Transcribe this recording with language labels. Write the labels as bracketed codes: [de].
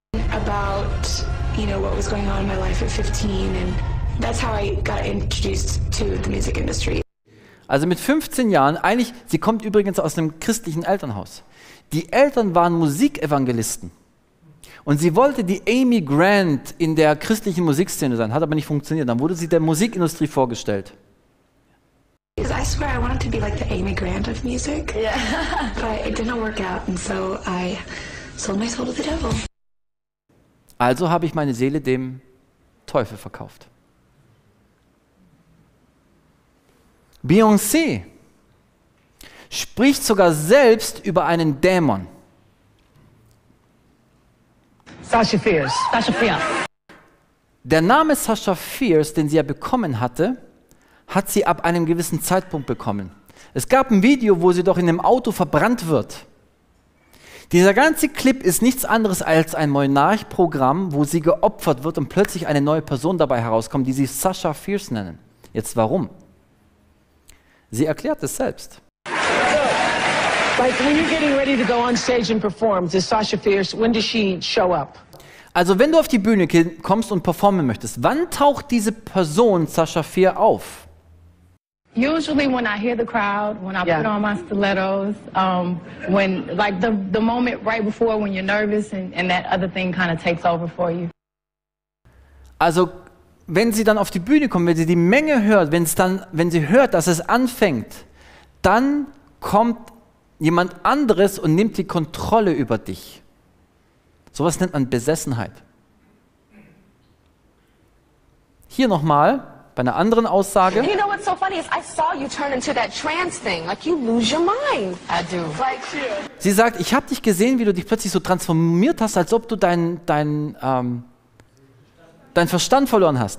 [en] About, you know, what was going on in my life at 15, and that's how I got introduced to the music industry. [de] Also mit 15 Jahren, eigentlich, sie kommt übrigens aus einem christlichen Elternhaus. Die Eltern waren Musikevangelisten. Und sie wollte die Amy Grant in der christlichen Musikszene sein, hat aber nicht funktioniert. Dann wurde sie der Musikindustrie vorgestellt. [en] Because I swear I wanted to be like the Amy Grant of music. Yeah. But it didn't work out and so I sold my soul to the devil. [de] Also habe ich meine Seele dem Teufel verkauft. Beyoncé spricht sogar selbst über einen Dämon. Sasha Fierce. Sasha Fierce. Der Name Sasha Fierce, den sie ja bekommen hatte, hat sie ab einem gewissen Zeitpunkt bekommen. Es gab ein Video, wo sie doch in einem Auto verbrannt wird. Dieser ganze Clip ist nichts anderes als ein Monarch-Programm, wo sie geopfert wird und plötzlich eine neue Person dabei herauskommt, die sie Sasha Fierce nennen. Jetzt warum? Sie erklärt es selbst. [en] Like when you're getting ready to go on stage and perform, is Sasha Fierce, when does she show up? [de] Also wenn du auf die Bühne kommst und performen möchtest, wann taucht diese Person Sasha Fierce auf? [en] Usually when I hear the crowd, when I put on my stilettos, when like the moment right before when you're nervous and that other thing kind of takes over for you. [de] Also wenn sie dann auf die Bühne kommt, wenn sie die Menge hört, wenn sie hört, dass es anfängt, dann kommt jemand anderes und nimmt die Kontrolle über dich. Sowas nennt man Besessenheit. Hier nochmal bei einer anderen Aussage. [en] You know what's so funny is I saw you turn into that trance thing, like you lose your mind. I do. Like, [de] sie sagt, ich habe dich gesehen, wie du dich plötzlich so transformiert hast, als ob du dein Verstand verloren hast.